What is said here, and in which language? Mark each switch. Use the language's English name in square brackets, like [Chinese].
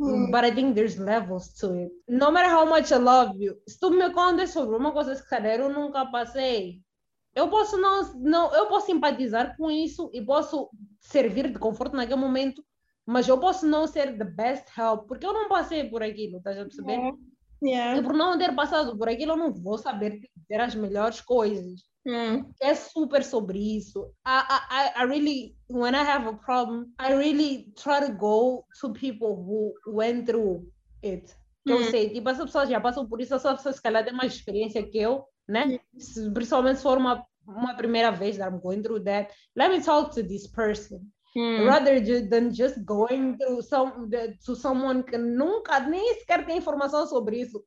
[English] But I think there's levels to it. No matter how much I love you, [Portuguese] se tu me contas sobre uma coisa que eu nunca passei, eu posso eu posso empatizar com isso e posso servir de conforto naquele momento, mas eu posso não ser [English] the best help, [Portuguese] porque eu não passei por aquilo, estás a perceber? [English] Yeah. [Portuguese] E por não ter passado por aquilo, eu não vou saber dizer as melhores coisas. É super sobre isso. [English] I really, when I have a problem, I really try to go to people who went through it. [Portuguese] Eu sei, tipo, essa pessoa já passou por isso, essa pessoa se calhar tem mais experiência que eu, né? Principalmente se for uma primeira vez [English] that I'm going through that, let me talk to this person rather than just going to someone [Portuguese] que nunca nem sequer tem informação sobre isso.